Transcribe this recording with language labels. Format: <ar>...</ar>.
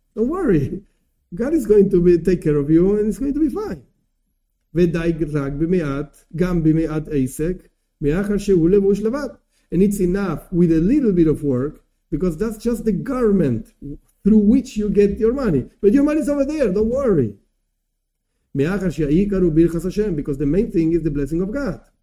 <en>Don't worry, God is going to take care of you and it's going to be fine.</en> <he>ודאי רק במעט, גם במעט עסק, מאחר שהוא לבוש לבד.</he> <en>And it's enough with a little bit of work, because that's just the garment through which you get your money. But your money is over there, don't worry. Because the main thing is the blessing of God.</en>